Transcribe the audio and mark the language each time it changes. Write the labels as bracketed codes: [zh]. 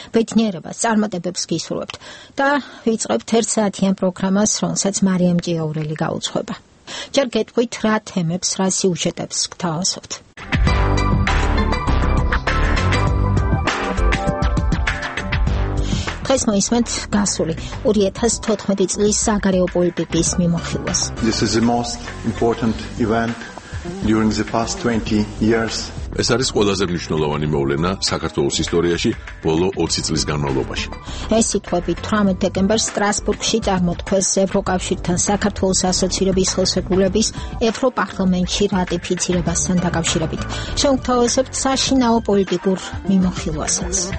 [ka] ბედნიერებას წარმატებებს გისურვებთ და ვიწყებთ 1 საათიან პროგრამას, რომელსაც მარიამ ჭიაურელი გაუძღვება. ჯერ გეტყვით რა თემებს, რა სიუჟეტებს გთავაზობთ. Ეს მოისმენთ გასული 2014 წლის საგარეო პოლიტიკის მიმოხილვას. [en] This is the most important event during the past 20 years. [ka] ეს არის ყველაზე მნიშვნელოვანი მოვლენა საქართველოს ისტორიაში ბოლო 20 წლის განმავლობაში. ეს სიტყვები 18 დეკემბერს სტრასბურგში წარმოთქვეს ევროკავშირთან საქართველოს ასოცირების ხელშეკრულების ევროპარლამენტში რატიფიცირებასთან დაკავშირებით. შემოგთავაზებთ საშინაო პოლიტიკურ მიმოხილვასაც.